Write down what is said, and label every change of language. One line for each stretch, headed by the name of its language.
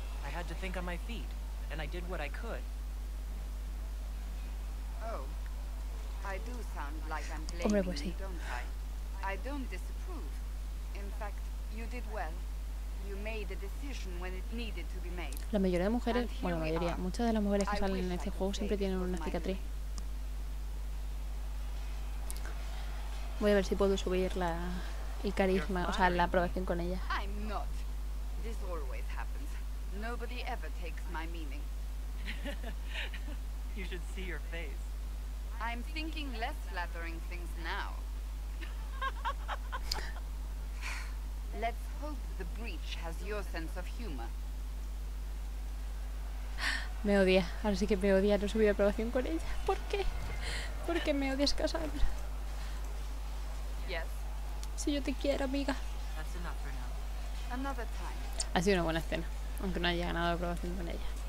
English: I had to think on my feet, and I did what I could. Oh, I do sound like I'm blaming you, don't I? I don't disapprove. In fact, you did well. You made a decision when it needed to be made.
Spanish: La mayoría de mujeres, bueno, la mayoría, muchas de las mujeres que salen en este juego siempre tienen una cicatriz. Voy a ver si puedo subir la el carisma, o sea, la aprobación con ella.
English: I'm not. This always happens. Nobody ever takes my meaning. You should see your face. I'm thinking less flattering things now. Let's hope the breach has your sense of humor.
Spanish: Me odia. Ahora sí que me odia no subir aprobación con ella. ¿Por qué? ¿Por qué me odias, Cassandra?
English: Yes.
Spanish: Si yo te quiero, amiga.
English: That's enough for now. Another time.
Spanish: Ha sido una buena escena, aunque no haya ganado aprobación con ella.